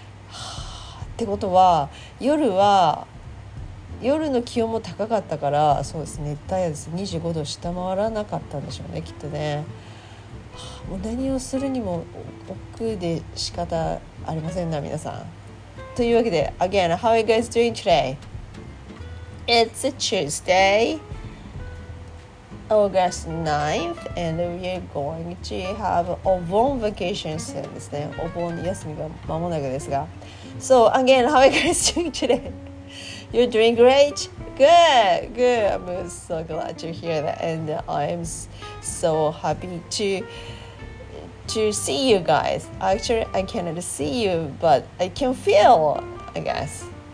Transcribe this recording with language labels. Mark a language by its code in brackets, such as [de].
[ja] ってことは夜の気温も高かったから、そうですね、熱帯夜です。 25度下回らなかったんでしょうね、きっとね。もう何をするにも億劫で仕方ありませんな、皆さん。というわけで、 [en] Again, how are you guys doing today? It's a Tuesday, August 9th, and we are going to have お盆 vacation soon [ja] ですね。お盆休みが間もなくですが。 [en] So, again, how are you guys doing today? You're doing great? Good. I'm so glad to hear that. And I'm so happy to see you guys. Actually, I cannot see you, but I can feel, I guess.